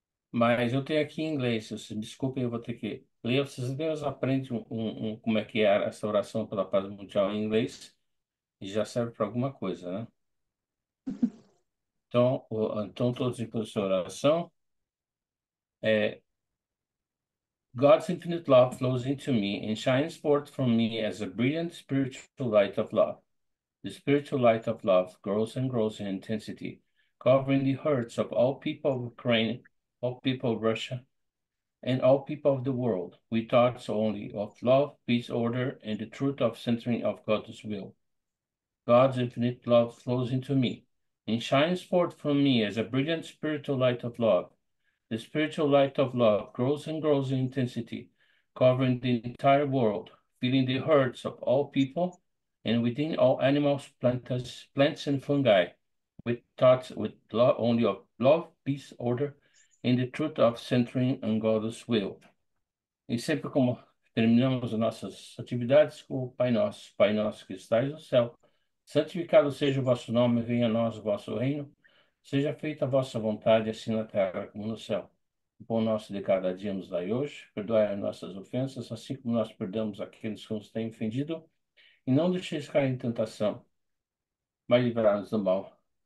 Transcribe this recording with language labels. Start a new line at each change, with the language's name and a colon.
Portuguese: Mas eu tenho aqui em inglês, desculpem, eu vou ter que ler. Vocês aprendem como é que era essa oração pela paz mundial em inglês e já serve para alguma coisa, né? Então, todos em posição de oração.
English: God's infinite love flows into me and shines forth from me as a brilliant spiritual light of love. The spiritual light of love grows and grows in intensity, covering the hearts of all people of Ukraine, all people of Russia, and all people of the world, with thoughts only of love, peace, order, and the truth of centering of God's will. God's infinite love flows into me and shines forth from me as a brilliant spiritual light of love. The spiritual light of love grows and grows in intensity, covering the entire world, filling the hearts of all people, and within all animals, plants and fungi, with thoughts with love only of love, peace, order, and the truth of centering on God's will.
Portuguese: E sempre como terminamos nossas atividades, com o Pai Nosso que estais no céu, santificado seja o vosso nome, venha a nós o vosso reino, seja feita a vossa vontade, assim na terra como no céu. O pão nosso de cada dia nos dai hoje, perdoai as nossas ofensas, assim como nós perdoamos aqueles que nos têm ofendido, e não deixeis cair em tentação, mas livrai-nos do mal.